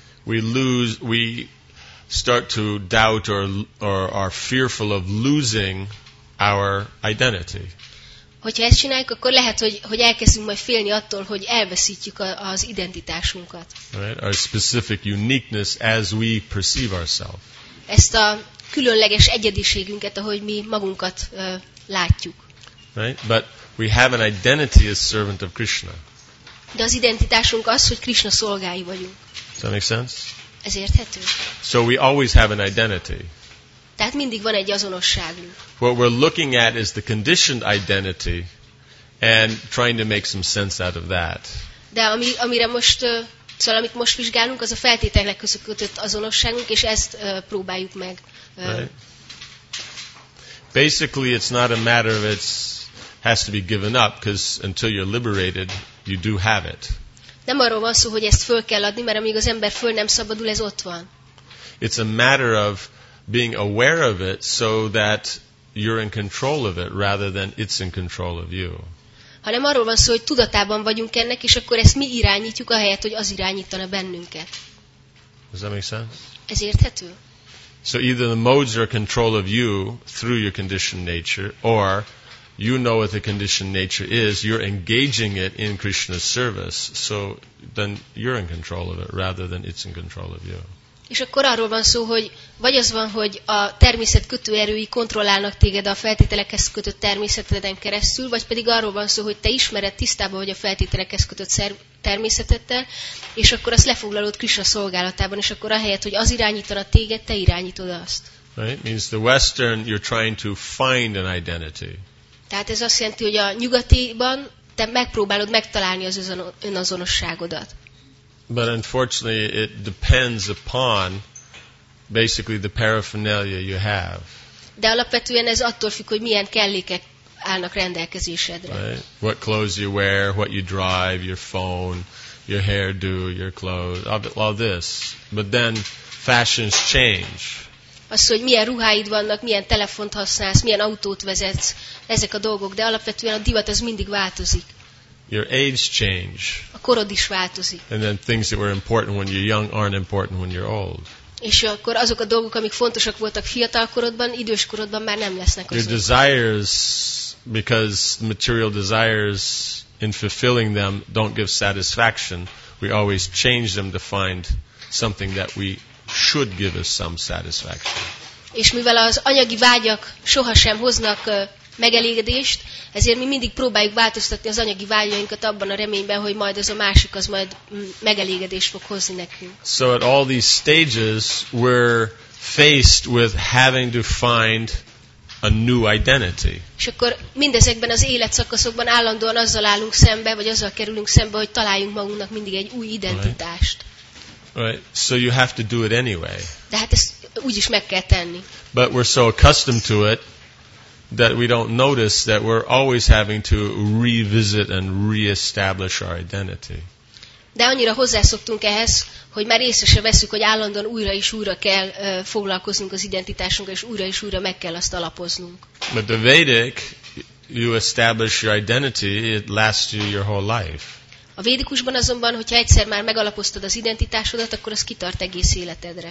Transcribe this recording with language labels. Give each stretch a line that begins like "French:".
English: We start to doubt or are fearful of losing our identity.
Hungarian: Hogyha ezt csináljuk, akkor lehet, hogy elkezdünk majd félni attól, hogy elveszítjük az identitásunkat.
English: Right? Our specific uniqueness as we perceive ourselves.
Hungarian: Ezt a különleges egyediségünket, ahogy mi magunkat látjuk.
English: Right? But we have an identity as servant of Krishna.
Hungarian: De az identitásunk az, hogy Krishna szolgái vagyunk.
English: Does that make sense?
Hungarian: Ez érthető.
English: So we always have an identity.
Hungarian: Tehát mindig van egy azonosságunk.
English: What we're looking at is the conditioned identity and trying to make some sense out of that.
Hungarian: De amire most szóval amit most vizsgálunk, az a feltételek között kötött azonosságunk, és ezt próbáljuk meg.
English: Right. Basically it's not a matter of it's has to be given up, because until you're liberated, you do have it.
Hungarian: Nem arról van szó, hogy ezt föl kell adni, mert amíg az ember föl nem szabadul, ez ott van.
English: It's a matter of being aware of it so that you're in control of it rather than it's in control of you.
Hungarian: Hanem arról van szó, hogy tudatában vagyunk ennek, és akkor ezt mi irányítjuk, ahelyett, hogy az irányítana bennünket.
English: Does that make sense?
Hungarian: Ez érthető?
English: So either the modes are in control of you through your conditioned nature, or you know what the conditioned nature is, you're engaging it in Krishna's service, so then you're in control of it rather than it's in control of you.
Hungarian: És akkor arról van szó, hogy vagy az van, hogy a természet kötőerői kontrollálnak téged a feltételekhez kötött természeteden keresztül, vagy pedig arról van szó, hogy te ismered, tisztában vagy a feltételekhez kötött természetettel, és akkor azt lefoglalod Krishna szolgálatában, és akkor ahelyett, hogy az irányítana téged, te irányítod azt.
English: Right? Means the Western, you're trying to find an identity.
Hungarian: Tehát ez azt jelenti, hogy a nyugatiban te megpróbálod megtalálni az önazonosságodat.
English: But unfortunately it depends upon basically the paraphernalia you have.
Hungarian: De alapvetően ez attól függ, hogy milyen kellékek állnak rendelkezésedre.
English: Right? What clothes you wear, what you drive, your phone, your hairdo, your clothes, all this. But then fashions change.
Hungarian: Az, hogy milyen ruháid vannak, milyen telefont használsz, milyen autót vezetsz, ezek a dolgok, de alapvetően a divat az mindig változik.
English: Your age change.
Hungarian: A korod is változik.
English: And then things that were important when you're young aren't important when you're old.
Hungarian: És akkor azok a dolgok, amik fontosak voltak fiatal korodban, idős korodban már nem lesznek azok.
English: Your desires, because material desires, in fulfilling them, don't give satisfaction. We always change them to find something that we should give us some satisfaction.
Hungarian: És mivel az anyagi vágyak sohasem hoznak megelégedést, ezért mi mindig próbáljuk változtatni az anyagi vágyainkat abban a reményben, hogy majd az a másik az majd megelégedést fog hozni nekünk.
English: So at all these stages we're faced with having to find a new identity.
Hungarian: És akkor mindezekben az életszakaszokban állandóan azzal állunk szembe, vagy azzal kerülünk szembe, hogy találjunk magunknak mindig egy új identitást.
English: Right. So you have to do it anyway.
Hungarian: De hát ezt úgy is meg kell tenni.
English: But we're so accustomed to it that we don't notice that we're always having to revisit and reestablish our identity.
Hungarian: De annyira hozzászoktunk ehhez, hogy már észre se veszük, hogy állandóan újra és újra kell foglalkoznunk az identitásunkkal, és újra meg kell azt alapoznunk.
English: But the Vedic, you establish your identity, it lasts you your whole life.
Hungarian: A védikusban azonban, hogyha egyszer már megalapoztad az identitásodat, akkor az kitart egész életedre.